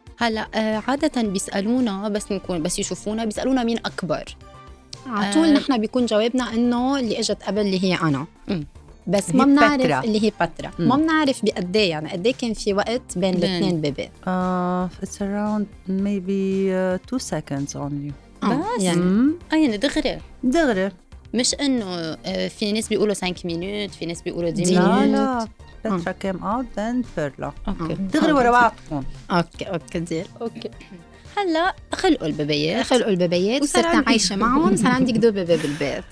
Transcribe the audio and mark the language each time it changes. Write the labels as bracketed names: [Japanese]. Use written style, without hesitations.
[Arabic] هلا عادة بيسألونا بس نكون بس يشوفونا بيسألونا مين أكبر. عطول نحنا بيكون جوابنا إنه اللي إجت قبل اللي هي أنا, بس ما بنعرف اللي هي بترا, ما بنعرف بقدي يعني قدي كان في وقت بين الاثنين بيبي. [English] It's around maybe 2 seconds only. [Arabic] يعني دغري دغري, مش إنه في ناس بيقولوا [English] 5 minutes, [Arabic] في ناس بيقولوا [English] 10 minutes. [Arabic] لا بترا [English] came out then [Arabic] بيرلا. دغري ورا بعضكم. أوكي زين. أوكي هلا خلقوا الببيات, خلقوا الببيات, صرت عايشة معهم, صار عندك [English] 2 babies [Arabic] بالبيت.